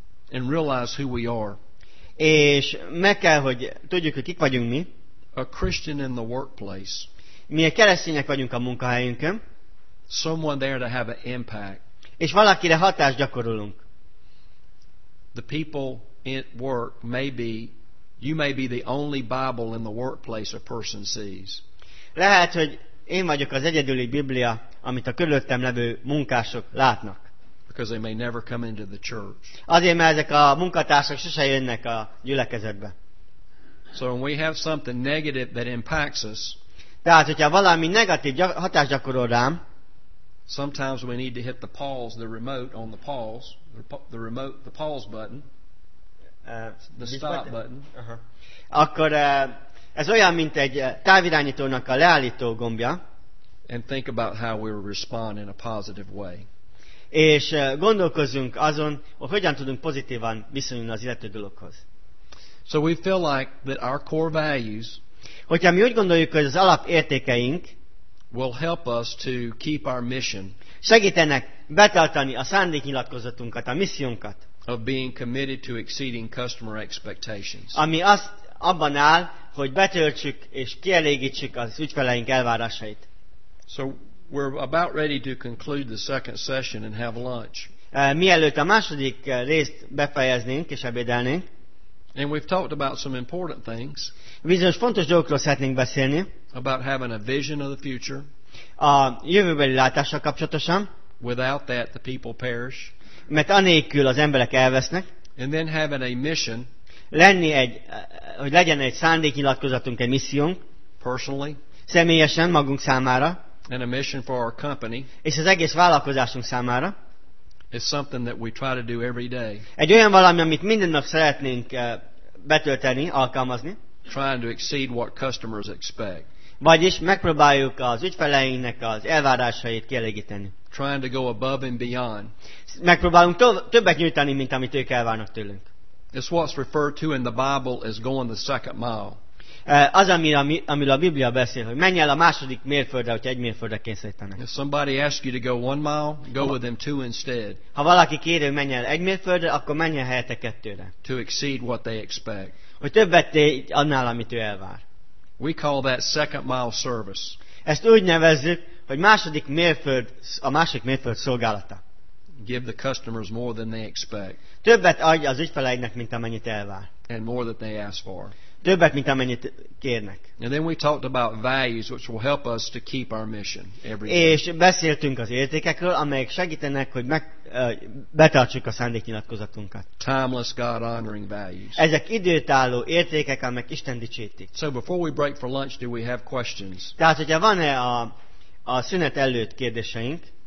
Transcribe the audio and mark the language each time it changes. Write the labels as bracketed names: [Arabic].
[English] And realize who we are. [Hungarian] És meg kell, hogy tudjuk, hogy kik vagyunk mi. [English] A Christian in the workplace. [Hungarian] Mi a keresztények vagyunk a munkahelyünkön. [English] Someone there to have an impact. [Hungarian] És valakire hatást gyakorolunk. [English] The people at work may be, you may be the only Bible in the workplace a person sees. [Hungarian] Lehet, hogy én vagyok az egyedüli Biblia, amit a körülöttem levő munkások látnak. [English] Because they may never come into the church. [Hungarian] Azért, mert ezek a munkatársak sose jönnek a gyülekezetbe. [English] So when we have something negative that impacts us. [Hungarian] Tehát, hogyha valami negatív hatást gyakorol rám. [English] Sometimes we need to hit the pause, the remote on the pause, the remote, the pause button, the stop button. Uh-huh. [Hungarian] Akkor ez olyan, mint egy távirányítónak a leállító gombja. [English] And think about how we respond in a positive way. [Hungarian] És gondolkozzunk azon, hogy hogyan tudunk pozitívan viszonyulni az illető dologhoz. [English] So we feel like that our core values. [Hungarian] Hogyha mi úgy gondoljuk, hogy az alapértékeink. [English] Will help us to keep our mission. [Hungarian] Segítenek betartani a szándéknyilatkozatunkat, a missziónkat. [English] Of being committed to exceeding customer expectations. [Hungarian] Ami azt abban áll, hogy betöltsük és kielégítsük az ügyfeleink elvárásait. [English] So we're about ready to conclude the second session and have lunch. [Hungarian] Mielőtt a második részt befejeznénk és ebédelnénk. [English] And we've talked about some important things. [Hungarian] Bizonyos fontos dolgokról szeretnénk beszélni. [English] About having a vision of the future. [Hungarian] A jövőbeli látással kapcsolatosan. [English] Without that, the people perish. [Hungarian] Mert anélkül az emberek elvesznek. [English] And then having a mission. [Hungarian] Lenni egy, hogy legyen egy szándéknyilatkozatunk, egy missziónk. [English] Personally. [Hungarian] Személyesen magunk számára. [English] And a mission for our company. [Hungarian] És az egész vállalkozásunk számára. [English] Is something that we try to do every day. [Hungarian] Egy olyan valami, amit minden nap szeretnénk betölteni, alkalmazni. [English] Trying to exceed what customers expect. [Hungarian] Vagyis megpróbáljuk az ügyfeleinknek az elvárásait kielégíteni. [English] Trying to go above and beyond. [Hungarian] Megpróbálunk többet nyújtani, mint amit ők elvárnak tőlünk. [English] It's what's referred to in the Bible as going the second mile. [Hungarian] Az, amiről a Biblia beszél, hogy menj el a második mérföldre, hogyha egy mérföldre kényszerítenek. [English] If somebody asks you to go one mile, go with them two instead. [Hungarian] Ha valaki kéri, hogy menj el egy mérföldre, akkor menj el helyette kettőre. [English] To exceed what they expect. [Hungarian] Hogy többet tégy annál, amit ő elvár. [English] We call that second mile service. [Hungarian] Ezt úgy nevezzük, hogy második mérföld, a másik mérföld szolgálata. [English] Give the customers more than they expect. [Hungarian] Többet adj az ügyfeleinek, mint amennyit elvár. [English] And more than they ask for. [Hungarian] Többet, mint amennyit kérnek. [English] And then we talked about values, which will help us to keep our mission every day. [Hungarian] És beszéltünk az értékekről, amelyek segítenek, hogy betartsuk a szándéknyilatkozatunkat. [English] Timeless, God-honoring values. [Hungarian] Ezek időtálló értékek, amelyek Isten dicsítik. [English] So before we break for lunch, do we have questions? [Hungarian] Tehát, hogyha van-e a szünet előtt kérdéseink?